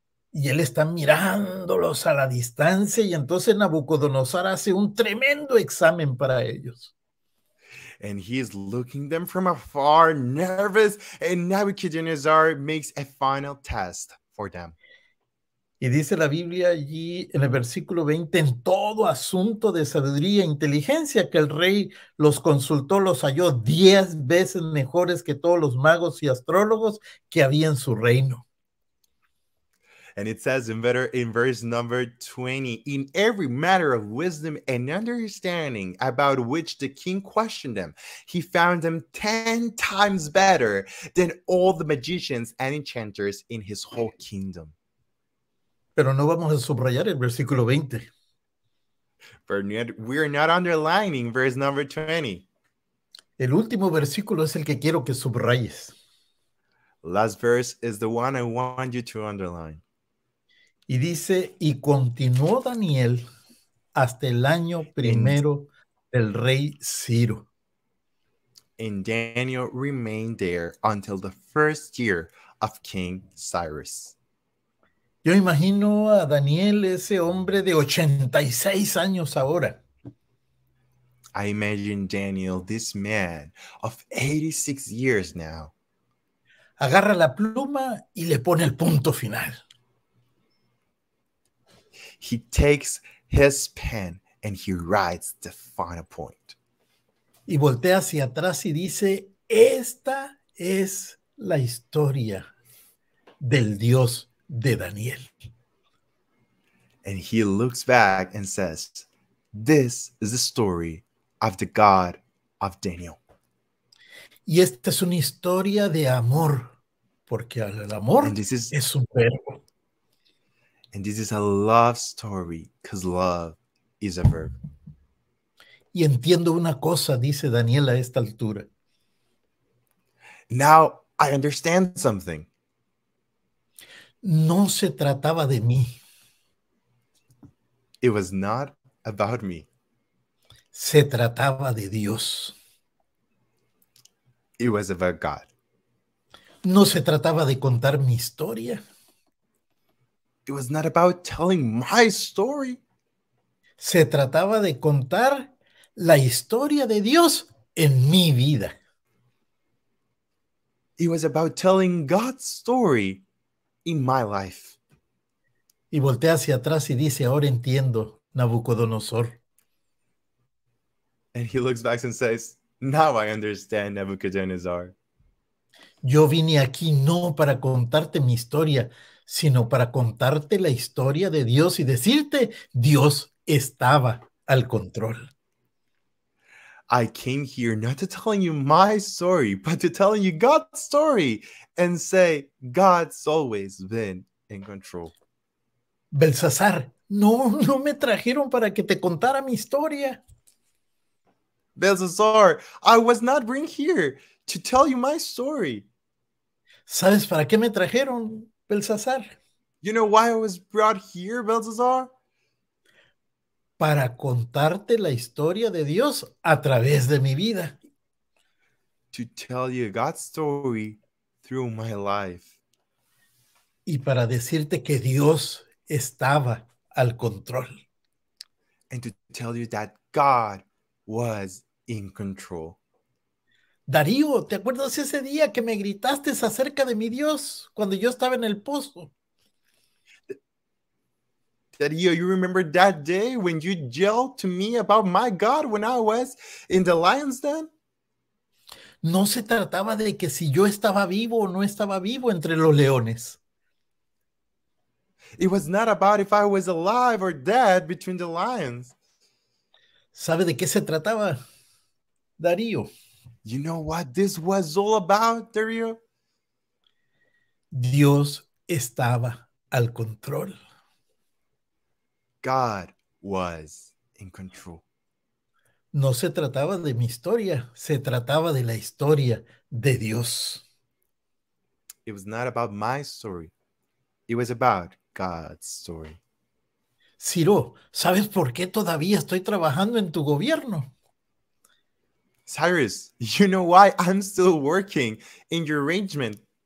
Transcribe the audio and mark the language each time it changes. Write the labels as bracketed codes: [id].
[es] Y él está mirándolos a la distancia, y entonces Nabucodonosor hace un tremendo examen para ellos. [en] And he is looking them from afar, nervous, and Nebuchadnezzar makes a final test for them. [es] Y dice la Biblia allí en el versículo 20, en todo asunto de sabiduría e inteligencia que el rey los consultó, los halló 10 veces mejores que todos los magos y astrólogos que había en su reino. [en] And it says in verse number 20, in every matter of wisdom and understanding about which the king questioned them, he found them 10 times better than all the magicians and enchanters in his whole kingdom. [es] Pero no vamos a subrayar el versículo 20. [en] Bernard, we're not underlining verse number 20. [es] El último versículo es el que quiero que subrayes. [en] Last verse is the one I want you to underline. [es] Y dice, y continuó Daniel hasta el año primero del rey Ciro. [en] And Daniel remained there until the first year of King Cyrus. [es] Yo imagino a Daniel, ese hombre de 86 años ahora. [en] I imagine Daniel, this man of 86 years now. [es] Agarra la pluma y le pone el punto final. [en] He takes his pen and he writes the final point. [es] Y voltea hacia atrás y dice, esta es la historia del Dios de Daniel. [en] And he looks back and says, this is the story of the God of Daniel. [es] Y esta es una historia de amor, porque el amor es un verbo. [en] And this is a love story, because love is a verb. [es] Y entiendo una cosa, dice Daniel a esta altura. [en] Now I understand something. [es] No se trataba de mí. [en] It was not about me. [es] Se trataba de Dios. [en] It was about God. [es] No se trataba de contar mi historia. [en] It was not about telling my story. [es] se trataba de contar la historia de Dios en mi vida. [en] It was about telling God's story in my life. [es] Y voltea hacia atrás y dice, ahora entiendo, Nabucodonosor. [en] And he looks back and says, now I understand, Nebuchadnezzar. [es] Yo vine aquí no para contarte mi historia, sino para contarte la historia de Dios y decirte, Dios estaba al control. [en] I came here not to tell you my story, but to tell you God's story and say, God's always been in control. [es] Belsasar, no, no me trajeron para que te contara mi historia. [en] Belsasar, I was not bring here to tell you my story. [es] ¿Sabes para qué me trajeron, Belsasar? [en] You know why I was brought here, Belsasar? [es] Para contarte la historia de Dios a través de mi vida. [en] To tell you God's story through my life. [es] Y para decirte que Dios estaba al control. [en] And to tell you that God was in control. [es] Darío, ¿te acuerdas ese día que me gritaste acerca de mi Dios cuando yo estaba en el pozo? [en] Darío, you remember that day when you yelled to me about my God when I was in the lion's den? [es] No se trataba de que si yo estaba vivo o no estaba vivo entre los leones. [en] It was not about if I was alive or dead between the lions. [es] ¿Sabe de qué se trataba, Darío? [en] You know what this was all about, Darío? [es] Dios estaba al control. [en] God was in control. [es] No se trataba de mi historia, se trataba de la historia de Dios. [en] It was not about my story. It was about God's story. [es] Ciro, ¿sabes por qué todavía estoy trabajando en tu gobierno? [en] Cyrus, you know why I'm still working in your arrangement?